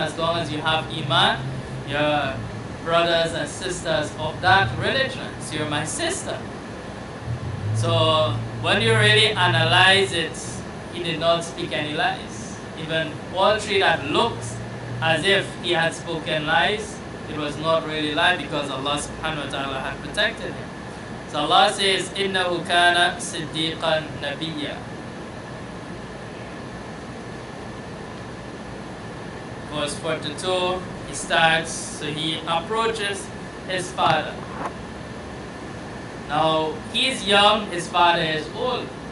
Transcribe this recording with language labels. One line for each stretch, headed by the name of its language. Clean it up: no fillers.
English: As long as you have Iman, you're brothers and sisters of that religion. So you're my sister. So when you really analyze it, he did not speak any lies. Even all three that looked as if he had spoken lies, it was not really lie, because Allah subhanahu wa ta'ala had protected him. So Allah says,
Arabic: إِنَّهُ كَانَ صِدِّيقًا نَبِيًّا.
English: Verse 42, he starts, so he approaches his father. Now, he's young, his father is old.